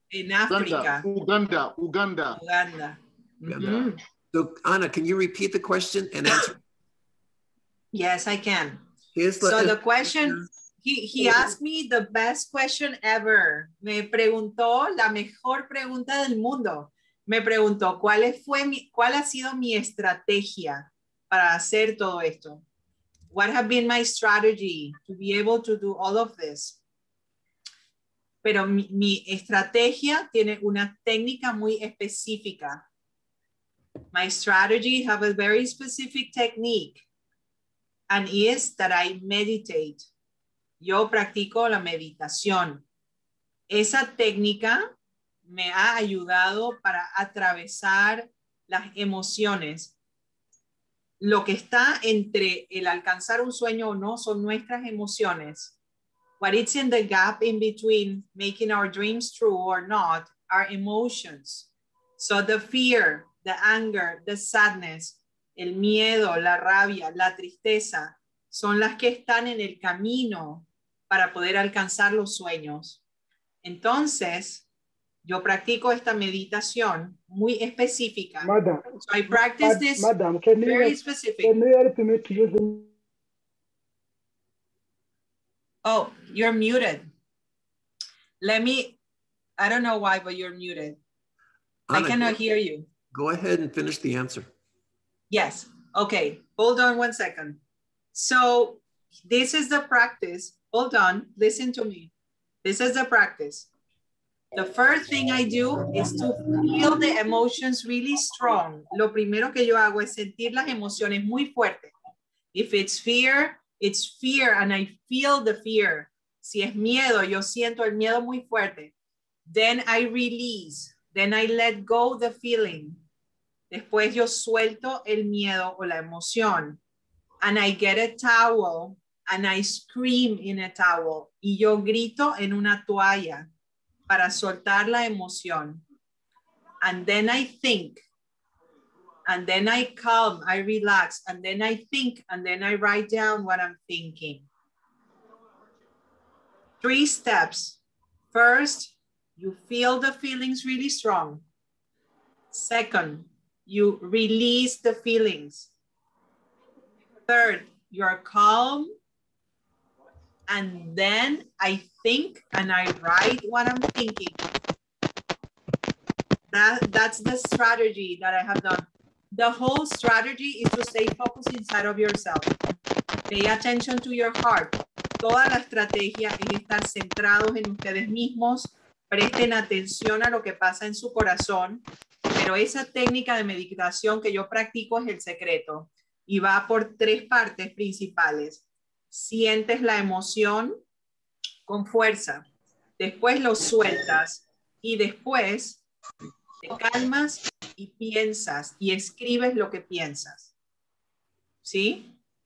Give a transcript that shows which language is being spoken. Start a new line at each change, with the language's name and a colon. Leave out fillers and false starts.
English: In Africa. Uganda. Uganda. Uganda. Uganda. Mm-hmm. So, Anna, can you repeat the question and answer? Yes, I can. The question he asked me the best question ever.
Spanish: Me preguntó la mejor pregunta del mundo. Me preguntó cuál ha sido mi estrategia para hacer todo esto.
English: What have been my strategy to be able to do all of this?
Spanish: Pero mi estrategia tiene una técnica muy específica.
English: My strategy have a very specific technique, and is that I meditate.
Spanish: Yo practico la meditación. Esa técnica me ha ayudado para atravesar las emociones. Lo que está entre el alcanzar un sueño o no son nuestras emociones.
English: What is in the gap in between making our dreams true or not are emotions. So the fear, the anger, the sadness,
Spanish: el miedo, la rabia, la tristeza, son las que están en el camino para poder alcanzar los sueños. Entonces, yo practico esta meditación muy específica.
English: Madam, so I practice this madam, very specific. Can you help me to use the... Oh, you're muted. Let me, I don't know why, but you're muted. Anna, I cannot hear you. Go ahead and finish the answer. Yes, okay, hold on 1 second. So this is the practice. Hold on, listen to me. This is the practice. The first thing I do is to feel the emotions really strong.
Spanish: Lo primero que yo hago es sentir las emociones muy fuertes.
English: If it's fear, it's fear, and I feel the fear.
Spanish: Si es miedo, yo siento el miedo muy fuerte.
English: Then I release. Then I let go the feeling.
Spanish: Después yo suelto el miedo o la emoción.
English: And I get a towel, and I scream in a towel.
Spanish: Y yo grito en una toalla para soltar la emoción.
English: And then I think. And then I calm, I relax. And then I think, and then I write down what I'm thinking. 3 steps. First, you feel the feelings really strong. Second, you release the feelings. Third, you're calm. And then I think and I write what I'm thinking. That's the strategy that I have done. The whole strategy is to stay focused inside of yourself. Pay attention to your heart.
Spanish: Toda la estrategia es estar centrados en ustedes mismos. Presten atención a lo que pasa en su corazón. Pero esa técnica de meditación que yo practico es el secreto. Y va por 3 partes principales. Sientes la emoción con fuerza, después lo sueltas y después te calmas y piensas y escribes lo que piensas. ¿Sí?